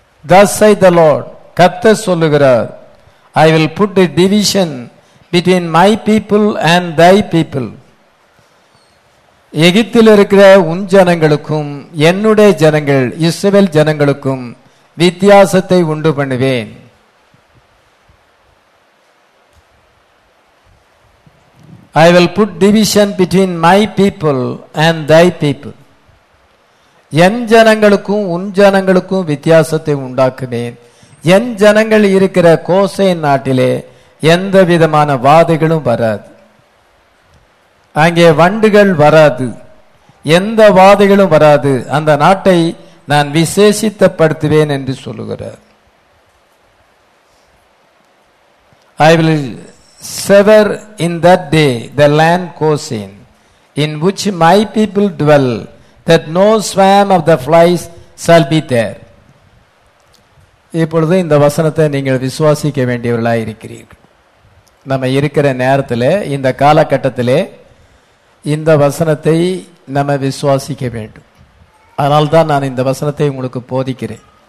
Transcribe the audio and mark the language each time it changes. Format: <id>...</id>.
<en>Thus saith the Lord,</en> <ta>கர்த்தர் சொல்லுகிறார்,</ta> <en>I will put a division between my people and thy people.</en> <ta>எகிப்தில் இருக்கிற உன் ஜனங்களுக்கும் என்னுடைய ஜனங்கள் இஸ்ரவேல் ஜனங்களுக்கும் வித்தியாசத்தை உண்டு பண்ணுவேன்.</ta> <en>I will put division between my people and thy people.</en> <ta>என் ஜனங்களுக்கும் உன் ஜனங்களுக்கும் வித்தியாசத்தை உண்டாக்குவேன். என் ஜனங்கள் இருக்கிற கோசை நாட்டிலே எந்த விதமான வாதைகளும் வராது, அங்கே வண்டுகள் வராது, எந்த வாதைகளும் வராது. அந்த நாட்டை நான் விசேஷித்தப்படுத்துவேன் என்று சொல்லுகிறார்.</ta> <en>I will sever in that day the land Goshen in which my people dwell, that no swarm of the flies shall be there.</en> <ta>இப்பொழுது இந்த வசனத்தை நீங்கள் விசுவாசிக்க வேண்டியவர்களாக இருக்கிறீர்கள். நம்ம இருக்கிற நேரத்தில் இந்த காலகட்டத்திலே இந்த வசனத்தை நம்ம விசுவாசிக்க வேண்டும். அதனால்தான் நான் இந்த வசனத்தை உங்களுக்கு போதிக்கிறேன்.</ta>